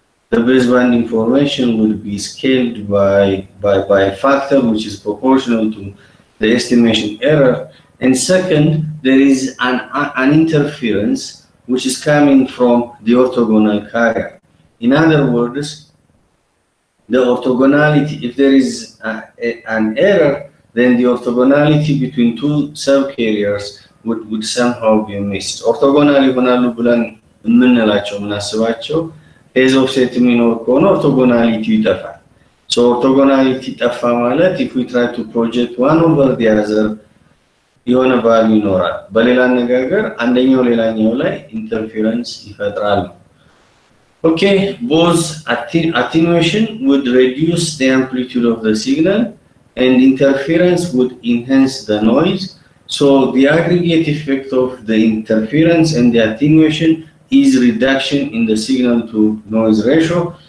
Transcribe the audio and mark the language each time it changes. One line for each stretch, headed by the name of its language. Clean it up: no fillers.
English: the baseband information would be scaled by a factor which is proportional to the estimation error, and second, there is an interference which is coming from the orthogonal carrier. In other words, the orthogonality, if there is an error, then the orthogonality between two subcarriers would somehow be missed.
Amharic: Orthogonal ይሆናሉ ብለን እንነላቸው እናስባቸው phase offset ሚኖር ከሆነ orthogonality ይጠፋል.
English: So orthogonality
Amharic: ጠፋ ማለት
English: if we try to project one over the other,
Amharic: የሆነ value ይኖራል. በሌላ አነጋገር አንደኛው ሌላኛው ላይ interference ይፈጥራል.
English: Okay, both attenuation would reduce the amplitude of the signal and interference would enhance the noise. So the aggregate effect of the interference and the attenuation is reduction in the signal to noise ratio.